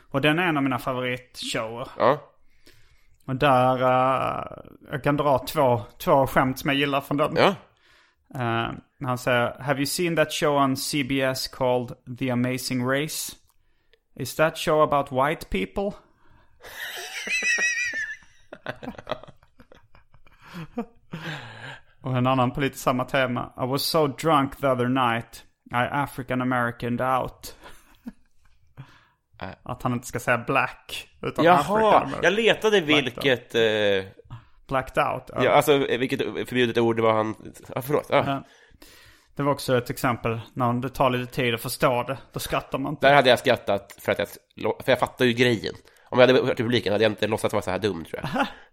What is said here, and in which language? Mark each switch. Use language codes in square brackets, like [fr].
[sv] Och den är en av mina favoritshower. Ja. Och där jag kan dra två skämt som jag gillar från den. Ja. [en] Han säger, have you seen that show on CBS called The Amazing Race? Is that show about white people? Och en annan på lite samma tema. I was so drunk the other night, I African-Americaned out. [sv] Att han inte ska säga black utan jaha, [en] African-American. [sv] Jag letade vilket [en] blacked out. [sv] Ja, alltså vilket förbjudet ord det var han. Förlåt. Ja. Det var också ett exempel när det tar lite tid att förstå det, då skrattar man inte. Där hade jag skrattat för jag fattar ju grejen. Om jag hade hört publiken hade jag inte låtsat vara så här dum, tror jag.